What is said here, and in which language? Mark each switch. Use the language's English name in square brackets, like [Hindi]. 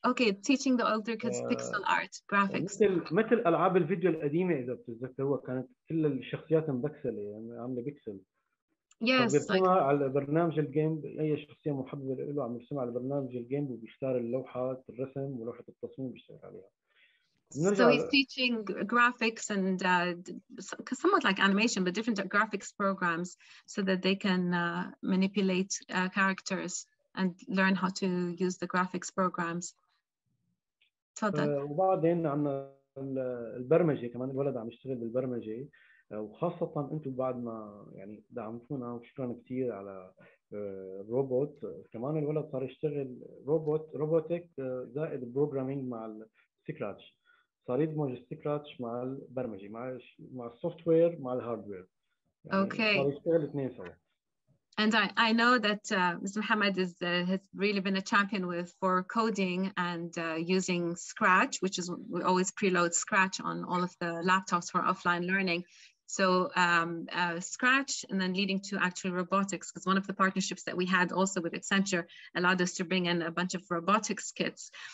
[English] Okay, teaching the older kids pixel art graphics. [Arabic] مثل ألعاب الفيديو القديمة إذا بتتذكروها كانت كل الشخصيات مبكسلة يعني عاملة بيكسل. [English] Yes. [Arabic] بيرسمها على برنامج الجيم أي شخصية محببة له عم يرسمها على برنامج الجيم وبيختار اللوحة الرسم ولوحة التصميم بيشتغل عليها. [English] So he's teaching graphics and somewhat like animation, but different graphics programs so that they can manipulate characters. And learn how to use the graphics programs. [Arabic] وبعدين عنا البرمجة كمان الولد عم يشتغل بالبرمجة وخاصة أنتم بعد ما يعني دعمتونا وشكرنا كتير على روبوت كمان الولد صار يشتغل روبوتك زائد بروغرامينج مع السكراتش صار يدمج السكراتش مع البرمجة مع السوفتوير مع الهاردوير. [English] Okay. [Arabic] صار يشتغل اثنين سوا. [English] And I know that Mr. Muhammad has really been a champion for coding and using Scratch, which is we always preload Scratch on all of the laptops for offline learning. So Scratch and then leading to actual robotics, because one of the partnerships that we had also with Accenture allowed us to bring in a bunch of robotics kits.